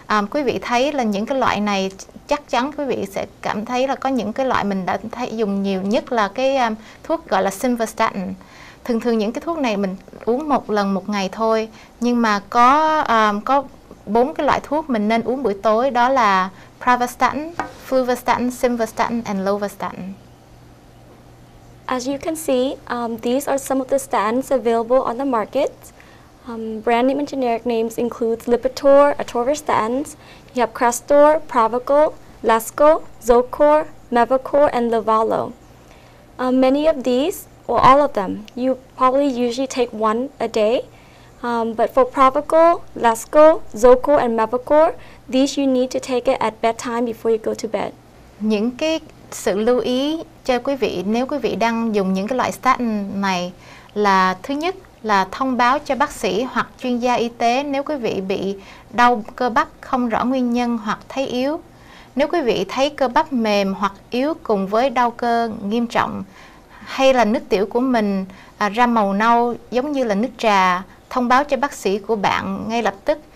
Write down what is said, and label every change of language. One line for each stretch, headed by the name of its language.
Vietnamese: Quý vị thấy là những cái loại này chắc chắn quý vị sẽ cảm thấy là có những cái loại mình đã thấy dùng nhiều nhất là cái thuốc gọi là Simvastatin. Thường thường những cái thuốc này mình uống một lần một ngày thôi, nhưng mà có bốn cái loại thuốc mình nên uống buổi tối, đó là Pravastatin, Fluvastatin, Simvastatin and Lovastatin.
English: As you can see, these are some of the statins available on the market. Brand name and generic names includes Lipitor, Atorvastatin. You have Crestor, Pravacol, Lesco, Zocor, Mevacor and Livalo. Many of these, well, all of them, you probably usually take one a day. But for Pravacol, Lesco, Zocor and Mevacor, these you need to take it at bedtime before you go to bed.
Vietnamese: Những cái sự lưu ý cho quý vị nếu quý vị đang dùng những cái loại statin này là thứ nhất là thông báo cho bác sĩ hoặc chuyên gia y tế nếu quý vị bị đau cơ bắp không rõ nguyên nhân hoặc thấy yếu. Nếu quý vị thấy cơ bắp mềm hoặc yếu cùng với đau cơ nghiêm trọng hay là nước tiểu của mình ra màu nâu giống như là nước trà, thông báo cho bác sĩ của bạn ngay lập tức.